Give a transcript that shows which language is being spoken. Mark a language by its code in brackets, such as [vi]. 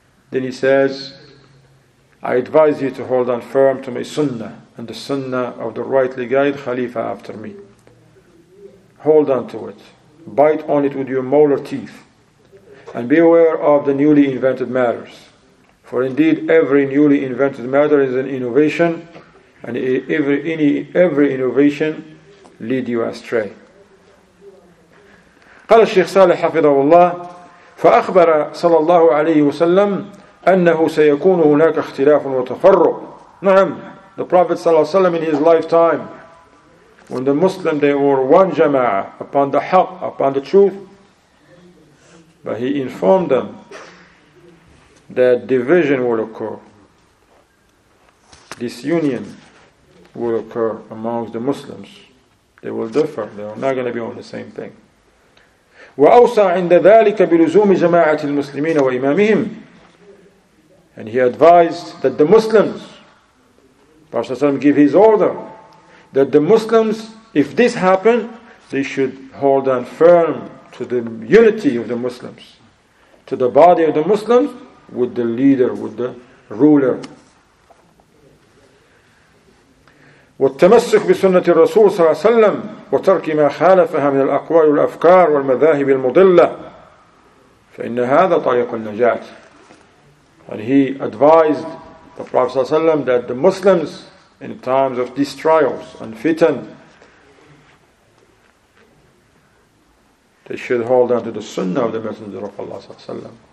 [en] Then he says, I advise you to hold on firm to my sunnah and the sunnah of the rightly guided Khalifa after me. Hold on to it. Bite on it with your molar teeth. And be aware of the newly invented matters. For indeed, every newly invented matter is an innovation, and every innovation lead you astray. [ar] قال الشيخ صالح حفظه الله فأخبر صلى الله عليه وسلم أنه سيكون هناك اختلاف وتفرق. [en] نعم, the Prophet [ar] صلى الله عليه وسلم [en] in his lifetime, when the Muslim, they were one jama'ah upon the haq, upon the truth, but he informed them that division will occur, disunion will occur amongst the Muslims. They will differ, they are not going to be on the same thing. [ar] وأوصى عند ذلك بلزوم جماعة المسلمين وإمامهم. [en] And he advised that the Muslims, Prophet ﷺ gave his order, that the Muslims, if this happened, they should hold on firm to the unity of the Muslims, to the body of the Muslims, with the leader, with the ruler. [ar] والتمسك بسنة الرسول صلى الله عليه وسلم وترك ما خالفها من الأقوال والأفكار والمذاهب المضلة فإن هذا طريق النجاة. [en] And he advised the Prophet ﷺ that the Muslims in times of these trials and fitan, they should hold on to the sunnah of the Messenger of Allah ﷺ.